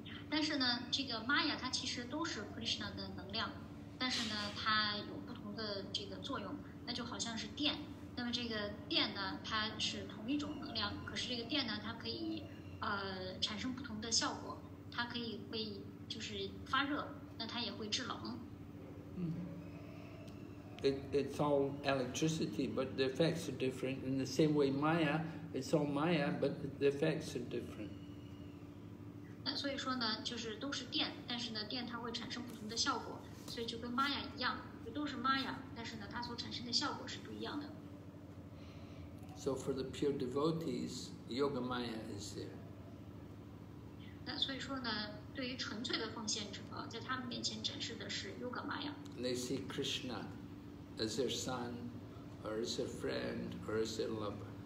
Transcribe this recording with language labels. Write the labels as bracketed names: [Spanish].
[Chinese] 但是呢，这个 Maya 它其实都是 Krishna 的能量，但是呢，它有不同的这个作用。那就好像是电，那么这个电呢，它是同一种能量，可是这个电呢，它可以产生不同的效果。它可以会就是发热，那它也会制冷。 [English] It's all electricity, but the effects are different. In the same way, Maya, it's all Maya, but the effects are different. [Chinese] 那所以说呢，就是都是电，但是呢，电它会产生不同的效果，所以就跟 Maya 一样，就都是 Maya， 但是呢，它所产生的效果是不一样的。 [English] So for the pure devotees, Yoga Maya is there. [Chinese] 那所以说呢，对于纯粹的奉献者，在他们面前展示的是 Yoga Maya。 [English] They see Krishna as their son, or as their friend, or as their lover.